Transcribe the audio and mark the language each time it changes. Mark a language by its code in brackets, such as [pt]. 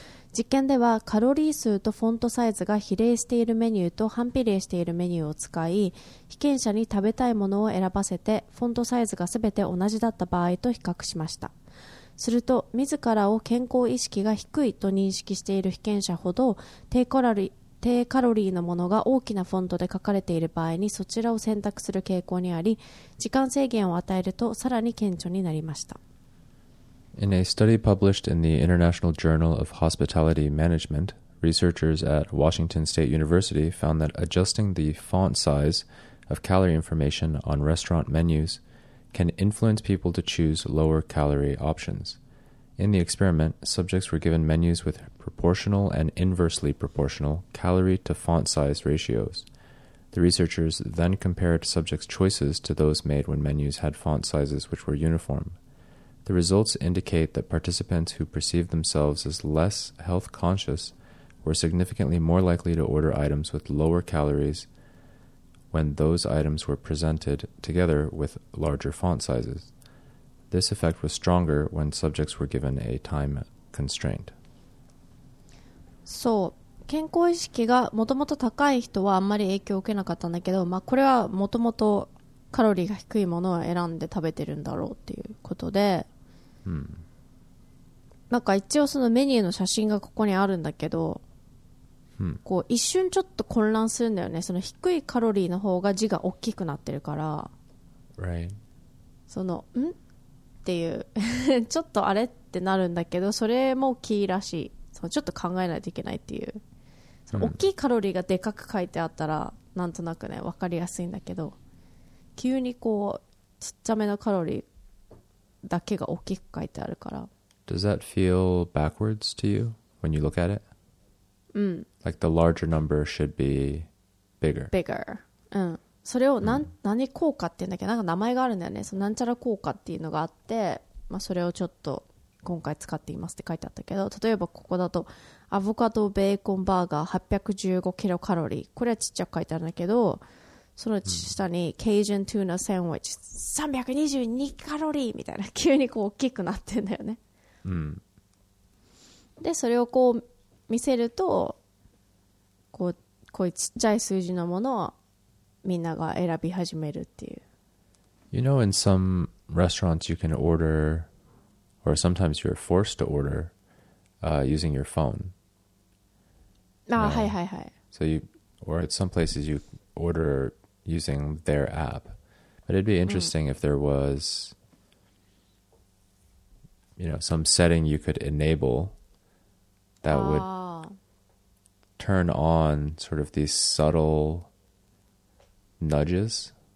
[ja] 実験ではカロリー数とフォントサイズが比例しているメニューと反比例しているメニューを使い、被験者に食べたいものを選ばせてフォントサイズがすべて同じだった場合と比較しました。すると、自らを健康意識が低いと認識している被験者ほど低カロリーのものが大きなフォントで書かれている場合にそちらを選択する傾向にあり、時間制限を与えるとさらに顕著になりました。 [en] In a study published in the International Journal of Hospitality Management, researchers at Washington State University found that adjusting the font size of calorie information on restaurant menus can influence people to choose lower calorie options. In the experiment, subjects were given menus with proportional and inversely proportional calorie to font size ratios. The researchers then compared subjects' choices to those made when menus had font sizes which were uniform. The results indicate that participants who perceived themselves as less health conscious were significantly more likely to order items with lower calories when those items were presented together with larger font sizes. This effect was stronger when subjects were given a time constraint. So, [ja] 健康意識がもともと高い人はあんまり影響を受けなかったんだけど、まあこれはもともとカロリーが低いものを選んで食べてるんだろうっていうことで、なんか一応そのメニューの写真がここにあるんだけど、こう一瞬ちょっと混乱するんだよね。その低いカロリーの方が字が大きくなってるから、 [en] right. [ja] そのんっていうちょっとあれってなるんだけど、それもキーらしい。そのちょっと考えないといけないっていう、その大きいカロリーがでかく書いてあったらなんとなくね分かりやすいんだけど、急にこうちっちゃめのカロリーだけが大きく書いてあるから。 [en] Does that feel backwards to you when you look at it? [ja] うん。 [en] Like the larger number should be bigger. Bigger. [ja] うん。それを何効果っていうんだっけ、なんか名前があるんだよね。そのなんちゃら効果っていうのがあって、まあそれをちょっと今回使っていますって書いてあったけど、例えばここだとアボカドベーコンバーガー815キロカロリー、これはちっちゃく書いてあるんだけど、その下にケイジュンツーナサンドイッチ322カロリーみたいな、急にこう大きくなってんだよね。うん。でそれをこう見せると、こういうちっちゃい数字のものをみんなが選び始めるっていう。 [en] You know, in some restaurants you can order, or sometimes you're forced to order using your phone. [ja] あ、はいはいはい。 [en] So you, or at some places you order using their app. But it'd be interesting if there was, you know, some setting you could enable that would turn on sort of these subtle nudges.